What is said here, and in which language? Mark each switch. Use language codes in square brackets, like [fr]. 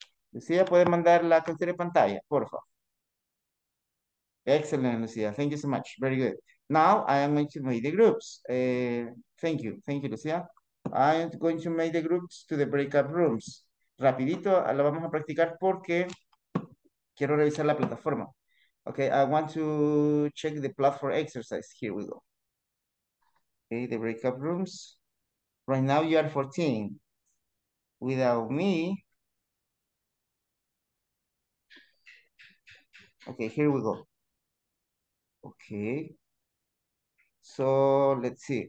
[es] Lucia, puede mandar la captura de pantalla, por favor. [en] Excellent, Lucia. Thank you so much. Very good. Now, I am going to make the groups. Thank you. Thank you, Lucia. I am going to make the groups to the breakout rooms. [es] Rapidito, la vamos a practicar porque quiero revisar la plataforma. [en] Okay, I want to check the platform exercise. Here we go. Okay, the breakout rooms. Right now you are 14. Without me. Okay, here we go. Okay. So let's see.